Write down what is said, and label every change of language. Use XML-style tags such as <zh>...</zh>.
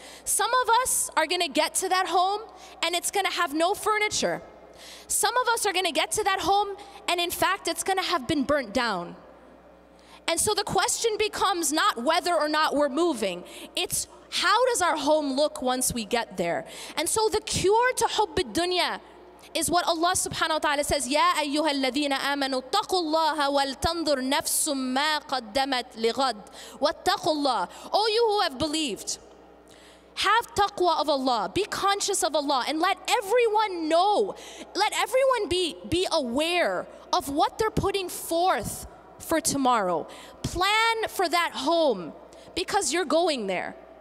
<en>Some of us are gonna get to that home and it's gonna have no furniture. Some of us are gonna get to that home and in fact, it's gonna have been burnt down. And so the question becomes not whether or not we're moving, it's how does our home look once we get there? And so the cure to hubb ad-dunya is what Allah subhanahu wa ta'ala says,</en> <ar>يَا أَيُّهَا الَّذِينَ آمَنُوا اتَّقُوا اللَّهَ وَلْتَنْظُرْ نَفْسٌ مَا قَدَّمَتْ لِغَدْ وَاتَّقُوا اللَّهَ.</ar> <en>All you who have believed, have taqwa of Allah, be conscious of Allah, and let everyone know, let everyone be aware of what they're putting forth for tomorrow. Plan for that home, because you're going there.</en>